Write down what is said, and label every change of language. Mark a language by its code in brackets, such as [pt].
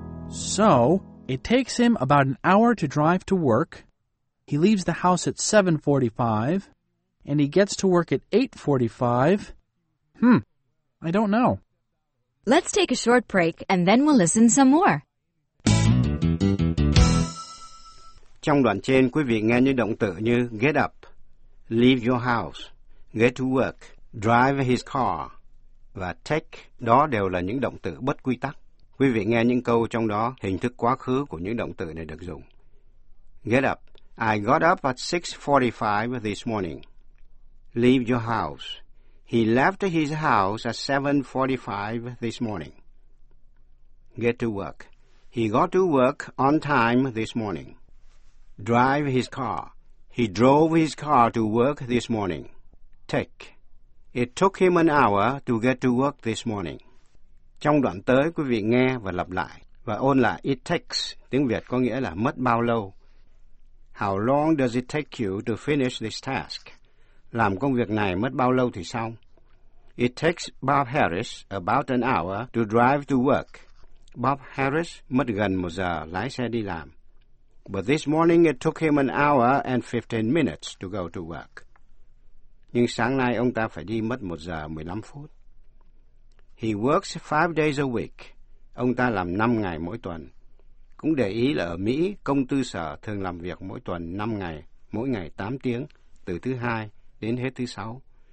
[en] So, it takes him about an hour to drive to work. He leaves the house at 7:45, and he gets to work at 8:45. I don't know. Let's take a short break, and then we'll listen some more. [vi] Trong đoạn trên, quý vị nghe những động từ như get up, leave your house, get to work, drive his car, và take, đó đều là những động từ bất quy tắc. Quý vị nghe những câu trong đó, hình thức quá khứ của những động từ này được dùng. [en] Get up. I got up at 6:45 this morning. Leave your house. He left his house at 7:45 this morning. Get to work. He got to work on time this morning. Drive his car. He drove his car to work this morning. Take. It took him an hour to get to work this morning. [vi] Trong đoạn tới, quý vị nghe và lặp lại và ôn lại it takes, tiếng Việt có nghĩa là mất bao lâu. [en] How long does it take you to finish this task? [vi] Làm công việc này mất bao lâu thì xong? [en] It takes Bob Harris about an hour to drive to work. [vi] Bob Harris mất gần một giờ lái xe đi làm. [en] But this morning it took him an hour and 15 minutes to go to work. [vi] Nhưng sáng nay ông ta phải đi mất một giờ 15 phút. [en] He works 5 days a week. [vi] Ông ta làm 5 ngày mỗi tuần. Cũng để ý là ở Mỹ, công tư sở thường làm việc mỗi tuần 5 ngày, mỗi ngày 8 tiếng, từ thứ hai đến hết thứ sáu.